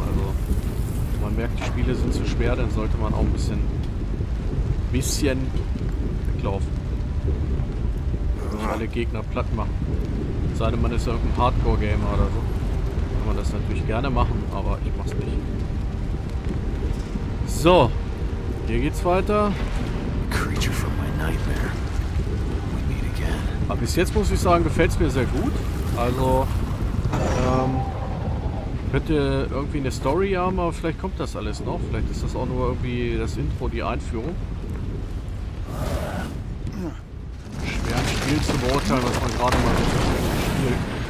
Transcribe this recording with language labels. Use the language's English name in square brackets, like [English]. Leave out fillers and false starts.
[German] Also wenn man merkt, die Spiele sind zu schwer, dann sollte man auch ein bisschen weglaufen. Nicht alle Gegner platt machen. Sei denn man ist irgendein Hardcore-Gamer oder so. Kann man das natürlich gerne machen, aber ich mach's nicht. So, hier geht's weiter. [English] Creature from my nightmare. We meet again. [German] Aber bis jetzt muss ich sagen, gefällt's mir sehr gut. Also, könnte irgendwie eine Story haben, aber vielleicht kommt das alles noch. Vielleicht ist das auch nur irgendwie das Intro, die Einführung. Schwer ein Spiel zu beurteilen, was man gerade mal so spielt.